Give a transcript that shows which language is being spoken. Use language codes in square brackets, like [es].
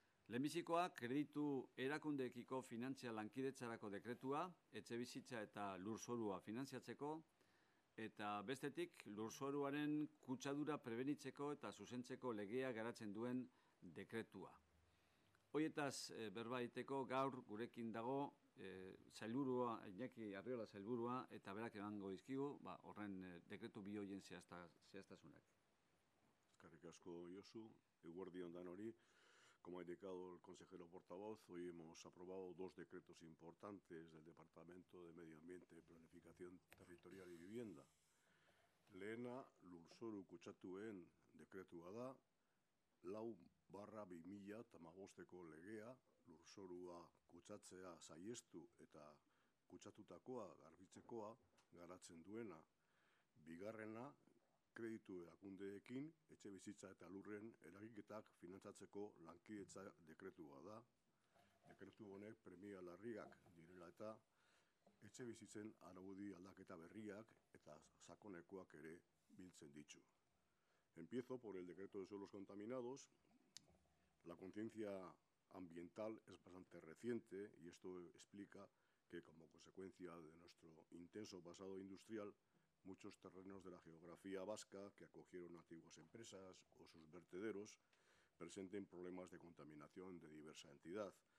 [eu] Lehenbizikoa, kreditu erakundeekiko finantzia lankidetzarako dekretua, etxe bizitza eta lurzorua finantziatzeko, eta bestetik, lurzoruaren kutsadura prebenitzeko eta zuzentzeko legea garatzen duen dekretua. Hoietaz berba iteko, gaur gurekin dago, zailburua, Iñaki Arriola zailburua, eta berak emango dizkigu, horren dekretu bi hoien zehaztasunak. Eskerrik asko, Josu, eguerdi ondan hori. [es] Como ha indicado el consejero portavoz, hoy hemos aprobado dos decretos importantes del Departamento de Medio Ambiente, Planificación Territorial y Vivienda. [eu] Lehena, lurzoru kutsatuen dekretua da, 4/2015 tamagosteko legea, lurzorua kutsatzea saiestu eta kutsatutakoa garbitzekoa garatzen duena. Bigarrena, kreditu erakundeekin, etxe bizitza eta lurren eragiketak finantzatzeko lankidetza dekretua da. Dekretu honek premia larriak direla eta etxe bizitzen araudi aldaketa berriak eta sakonekoak ere biltzen ditu. [es] Empiezo por el decreto de suelos contaminados. La conciencia ambiental es bastante reciente y esto explica que, como consecuencia de nuestro intenso pasado industrial, muchos terrenos de la geografía vasca que acogieron antiguas empresas o sus vertederos presenten problemas de contaminación de diversa entidad.